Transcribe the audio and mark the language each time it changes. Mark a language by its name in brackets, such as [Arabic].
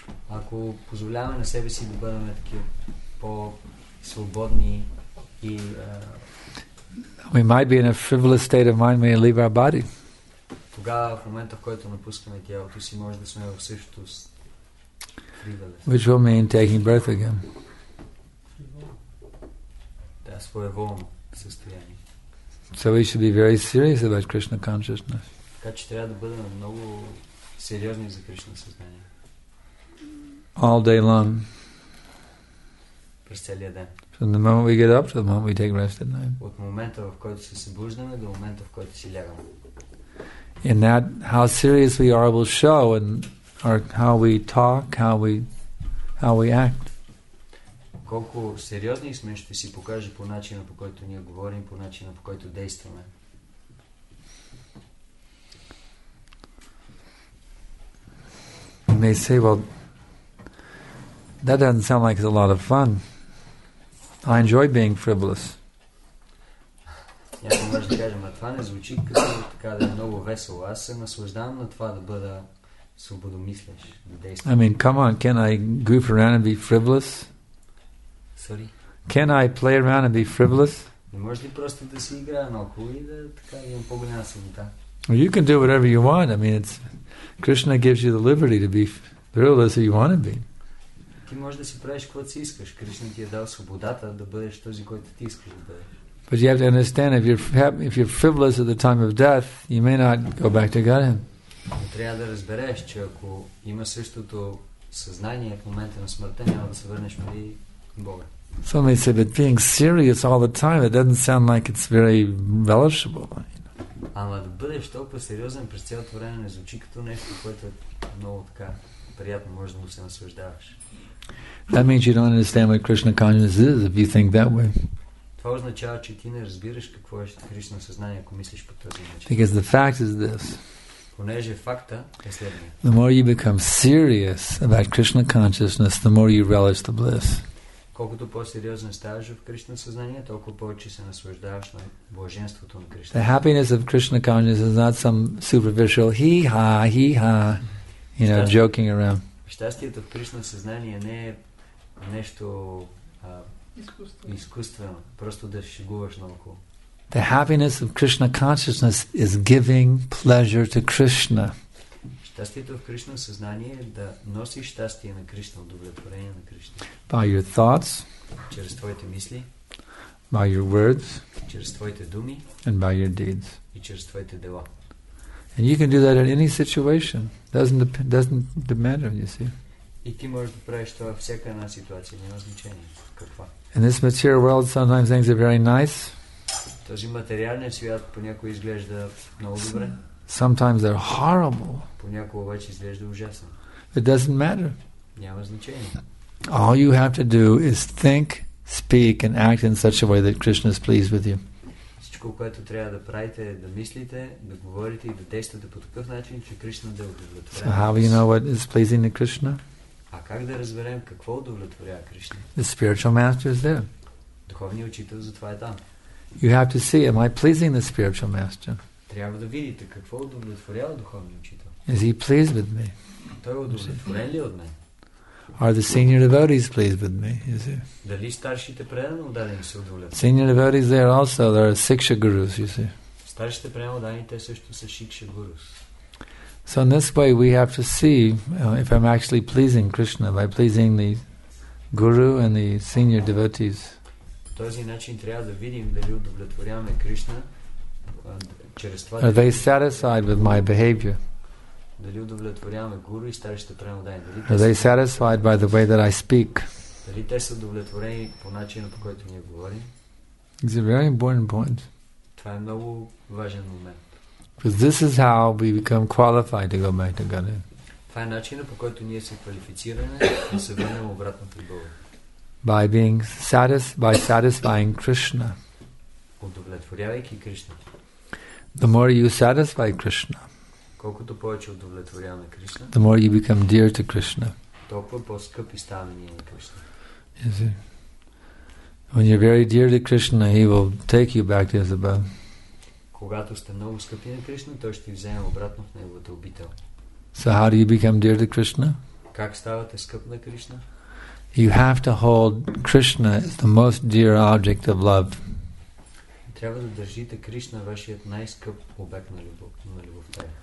[Bulgarian] ако позволяваме на себе си да бъдем такива по-свободни и [English] we might be in a frivolous state of mind when we leave our body. [Bulgarian] Тогава в момента, в който напускаме тялото си, може да сме в същото frivolous. [English] Which will mean taking breath again. [Bulgarian] Да, своеволно състояние. [English] So we should be very serious about Krishna consciousness. [Bulgarian] Така че трябва да бъдем много сериозни за Кришна съзнание. [English] All day long. [Bulgarian] през целия ден. [English] From the moment we get up to the moment we take rest at night. [Bulgarian] От момента, в който се събуждаме, до момента, в който си лягаме. [English] And that how serious we are will show in our how we talk, how we act. [Bulgarian] Колко сериозни сме, ще си покаже по начина, по който ние говорим, по начина, по който действаме. [English] You may say, well, that doesn't sound like it's a lot of fun. I enjoy being frivolous. [Bulgarian] Някой може да каже, ма това не звучи като така да е много весело. Аз се наслаждавам на това да бъда свободомислящ, да действам. [English] I mean, come on, can I goof around and be frivolous? Sorry? Can I play around and be frivolous? [Bulgarian] Не може ли просто да си играя на около и да така имам по-голяма свобода? [English] Well, you can do whatever you want. I mean, it's Krishna gives you the liberty to be frivolous if you want to be. [Bulgarian] Ти може да си правиш каквото си искаш. Кришна ти е дал свободата да бъдеш този, който ти искаш да бъдеш. [English] But you have to understand if you're frivolous at the time of death, you may not go back to Godhead. [Bulgarian] Трябва да разбереш, че ако има същото съзнание в момента на смъртта, няма да се върнеш при Бога. [English] So they say, but being serious all the time, it doesn't sound like it's very relishable. [Bulgarian] Ама да бъдеш толкова сериозен през цялото време не звучи като нещо, което е много така приятно, може да му се наслаждаваш. [English] That means you don't understand what Krishna consciousness is if you think that way. [Bulgarian] Това означава, че ти не разбираш какво е Кришна съзнание, ако мислиш по този начин. [English] Because the fact is this. [Bulgarian] Понеже факта е следния. [English] The more you become serious about Krishna consciousness, the more you relish the bliss. [Bulgarian] Колкото по-сериозен ставаш в Кришна съзнание, толкова повече се наслаждаваш на блаженството на Кришна. [English] The happiness of Krishna consciousness is not some superficial hee-ha, hee-ha, you know, joking around. [Bulgarian] Щастието в Кришна съзнание не е нещо изкуствено, просто да шегуваш много. [English] The happiness of Krishna consciousness is giving pleasure to Krishna. [Bulgarian] Щастието в Кришна съзнание е да носиш щастие на Кришна, удовлетворение на Кришна. [English] By your thoughts, [Bulgarian] чрез твоите мисли, [English] by your words, [Bulgarian] чрез твоите думи, [English] and by your deeds, [Bulgarian] и чрез твоите дела. [English] And you can do that in any situation. Doesn't matter, you see. [Bulgarian] И ти можеш да правиш това всяка една ситуация, няма значение каква. [English] In this material world, sometimes things are very nice. [Bulgarian] Този материалният свят понякога изглежда много добре. [English] Sometimes they're horrible. [Bulgarian] Понякога обаче изглежда ужасно. [English] It doesn't matter. [Bulgarian] Няма значение. [English] All you have to do is think, speak, and act in such a way that Krishna is pleased with you. [Bulgarian] Което трябва да правите, да мислите, да говорите и да действате по такъв начин, че Кришна да удовлетворява. [English] So how do you know what is pleasing to Krishna? [Bulgarian] А как да разберем какво удовлетворява Кришна? [English] The spiritual master is there. [Bulgarian] Духовният учител за това е там. [English] You have to see, am I pleasing the spiritual master? [Bulgarian] Трябва да видите какво удовлетворява духовният учител. [English] Is he pleased with me? [Bulgarian] Той удовлетворен ли от мен? [English] Are the senior devotees pleased with me? Is it? [Bulgarian] Дали старшите преданно дадени се удовлетворени? [English] Senior devotees there also, there are siksha gurus, you see. [Bulgarian] Старшите преданно дадени те също са шикша гурус. [English] So in this way we have to see if I'm actually pleasing Krishna by pleasing the guru and the senior devotees. [Bulgarian] По този начин трябва да видим дали удовлетворяваме Кришна чрез това. [English] Are they satisfied with my behavior? [Bulgarian] Дали удовлетворяваме гуру и старшите преданни? [English] Are they satisfied by the way that I speak? [Bulgarian] Дали те са удовлетворени по начина, по който ние говорим? [English] It's a very important point. [Bulgarian] Това е много важен момент. [English] Because this is how we become qualified to go back to Godhead. [Bulgarian] Това е начина, по който ние се квалифицираме и се върнем обратно при Бога. [English] By satisfying Krishna. [Bulgarian] Удовлетворявайки Кришна. [English] The more you satisfy Krishna, [Bulgarian] колкото повече удовлетворяваме Кришна, [English] the more you become dear to Krishna. [Bulgarian] Толкова по-скъпи ставаме ние на Кришна. [English] Yes, when you're very dear to Krishna, he will take you back to his abode. [Bulgarian] Когато сте много скъпи на Кришна, той ще ви вземе обратно в неговата обител. [English] So how do you become dear to Krishna? [Bulgarian] Как ставате скъп на Кришна? [English] You have to hold Krishna as the most dear object of love. [Bulgarian] Трябва да държите Кришна вашият най-скъп обект на любовта.